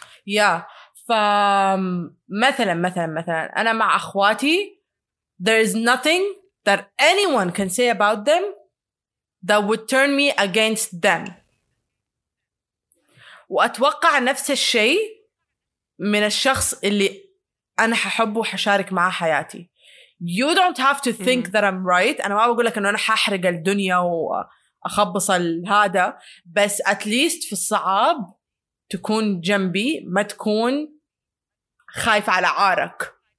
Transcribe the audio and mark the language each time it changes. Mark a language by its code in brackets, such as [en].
[en] yeah [ar] فمثلا مثلا مثلا أنا مع أخواتي [en] There is nothing that anyone can say about them that would turn me against them. [ar] وأتوقع نفس الشيء من الشخص اللي أنا ححبه وحشارك معه حياتي. [en] You don't have to think that I'm right. [ar] أنا ما بقول لك إنه أنا ححرق الدنيا وأخبص هذا. بس [en] at least [ar] في الصعاب تكون جنبي ما تكون خايف على عارك.